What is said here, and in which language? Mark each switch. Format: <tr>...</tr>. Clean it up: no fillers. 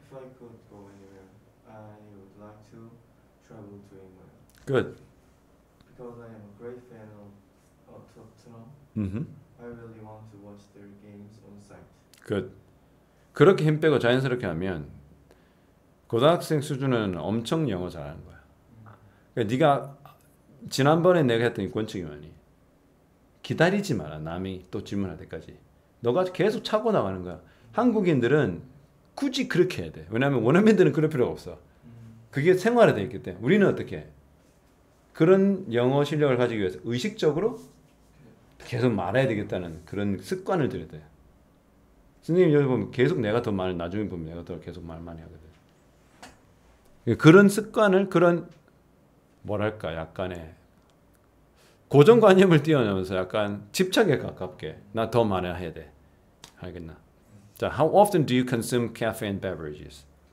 <en>If I could go anywhere, I would like to travel to England. Good. Because I am a great fan of Tottenham, I really want to watch their games on site. Good.</en> <ko>그렇게 힘 빼고 자연스럽게 하면 고등학생 수준은 엄청 영어 잘하는 거야. 그러니까 네가 지난번에 내가 했던 이 권칙이 뭐니? 기다리지 마라. 남이 또 질문할 때까지. 너가 계속 차고 나가는 거야. 한국인들은 굳이 그렇게 해야 돼. 왜냐하면 원어민들은 그럴 필요가 없어. 그게 생활화 돼 있기 때문에. 우리는 어떻게 해? 그런 영어 실력을 가지기 위해서 의식적으로 계속 말해야 되겠다는 그런 습관을 들여야 돼. 선생님 여기 보면 계속 내가 더 말, 나중에 보면 내가 더 계속 말 많이 하거든. 그런 습관을 그런 뭐랄까 약간의 고정관념을 뛰어넘어서 약간 집착에 가깝게 나더 말해야 돼. 알겠나? 자,</ko> <en>how often do you consume caffeine beverages?</en>